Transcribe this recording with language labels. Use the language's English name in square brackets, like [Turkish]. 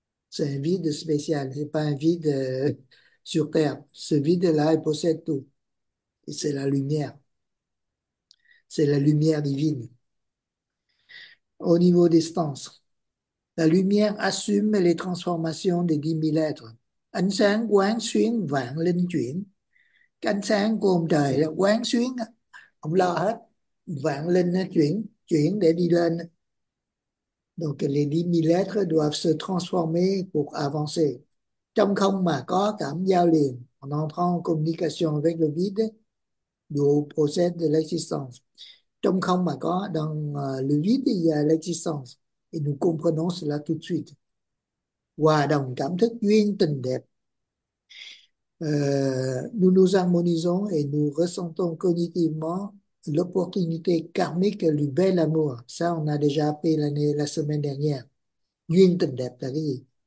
[French] C'est un vide spécial, c'est pas un vide sur Terre. Ce vide-là, il possède tout. Et c'est la lumière. C'est la lumière divine. Au niveau des sens, la lumière assume les transformations des 10 000 êtres. [Vietnamese] Ánh sáng quán xuyến vạn linh chuyển. Cái ánh sáng của ông trời là quán xuyến, ông lo hết. Vạn linh chuyển, chuyển để đi lên. [French] Donc les 10 000 êtres doivent se transformer pour avancer. [Vietnamese] Trong không mà có cảm giao liền, [French] en entrant en communication avec le vide, d'où procède de l'existence. [Vietnamese] Trong không mà có, [French] dans le vide, il y a l'existence. Et nous comprenons cela tout de suite. [Vietnamese] Hòa đồng cảm thức duyên tình đẹp. [French] Nous nous harmonisons et nous ressentons cognitivement l'opportunité karmique du bel amour. Ça, on a déjà appris la semaine dernière. [Vietnamese] Duyên tình đẹp, là gì?